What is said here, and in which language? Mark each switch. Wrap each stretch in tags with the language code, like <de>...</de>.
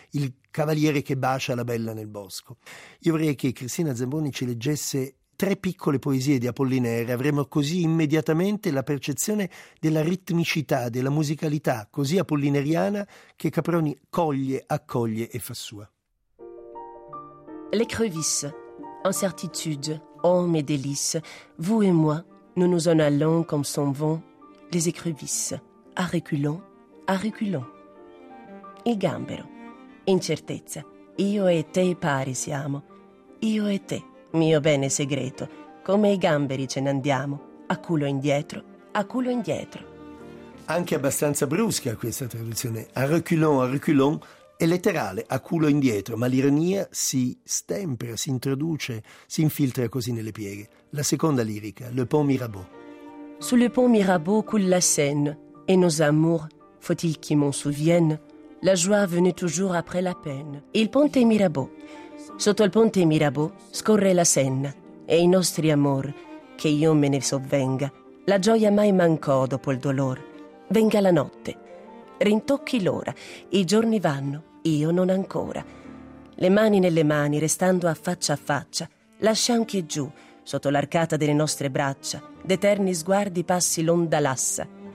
<it>Il cavaliere che bacia la bella nel bosco. Io vorrei che Cristina Zamboni ci leggesse tre piccole poesie di Apollinaire. Avremo così immediatamente la percezione della ritmicità, della musicalità così apollinariana che Caproni coglie, accoglie e fa sua.</it> <fr>L'écrevisse, incertitude, homme et délice, vous et moi, nous nous en allons comme s'en vont les écrevisses, à reculons, à reculons.</fr> <it>Il gambero, incertezza, io e te pari siamo, io e te. Mio bene segreto, come i gamberi ce ne andiamo, a culo indietro, a culo indietro. Anche abbastanza brusca questa traduzione, a reculon, è letterale, a culo indietro, ma l'ironia si stempera, si introduce, si infiltra così nelle pieghe. La seconda lirica, Le Pont Mirabeau.</it> <fr>Sous le pont Mirabeau coule la Seine, et nos amours, faut-il qu'ils m'en souviennent, la joie venait toujours après la peine.</fr> <it>Il ponte Mirabeau. Sotto il ponte Mirabeau scorre la Senna, e i nostri amor, che io me ne sovvenga, La gioia mai mancò dopo il dolor. Venga la notte, rintocchi l'ora, i giorni vanno, io non ancora. Le mani nelle mani, restando a faccia, lasciam che giù, sotto l'arcata delle nostre braccia, d'eterni sguardi passi l'onda lassa.</it>